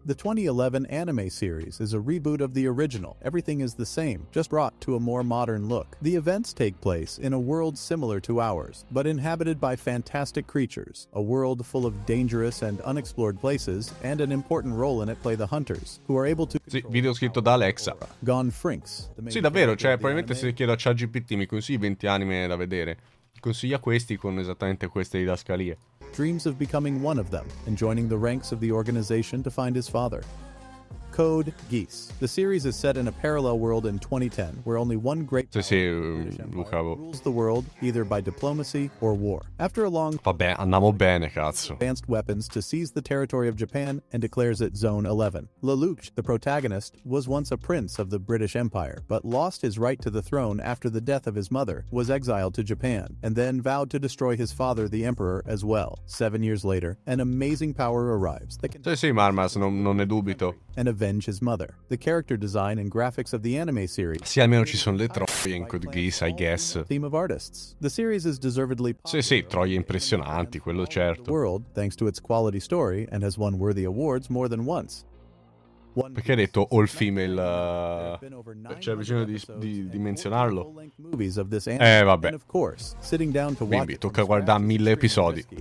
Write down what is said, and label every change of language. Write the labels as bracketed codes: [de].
[en] The 2011 anime series is a reboot of the original. Everything is the same, just brought to a more modern look. The events take place in a world similar to ours, but inhabited by fantastic creatures, a world full of dangerous and unexplored places, and an important role in it play the hunters, who are able to control. [it] Sì, video scritto da Alexa. Gone Frinks. Sì, davvero, cioè, probabilmente se chiedo a ChatGPT mi consigli 20 anime da vedere. Consiglia questi con esattamente queste didascalie. [en] Dreams of becoming one of them and joining the ranks of the organization to find his father. Code Geass. The series is set in a parallel world in 2010, where only one great power, [it] sì, Luca, [en] rules the world, either by diplomacy or war. After a long, [it] vabbè, andiamo bene, cazzo. [en] Advanced weapons to seize the territory of Japan and declares it Zone 11. Lelouch, the protagonist, was once a prince of the British Empire, but lost his right to the throne after the death of his mother, was exiled to Japan, and then vowed to destroy his father, the emperor, as well. 7 years later, an amazing power arrives that can. [it] Sì, sì, Marmas, non ne dubito. [en] And avenge his mother. The character design and graphics of the anime series. [it] Sì, almeno ci sono le troie in Code Geass, [en] I guess. Theme of artists. The series is deservedly. [it] Sì, sì, troie impressionanti, quello certo. [en] World, thanks to its quality story, and has won worthy awards more than once. [it] Perché ha detto [en] all female? [it] C'è bisogno di menzionarlo. Vabbè. Quindi tocca guardare 1000 episodi.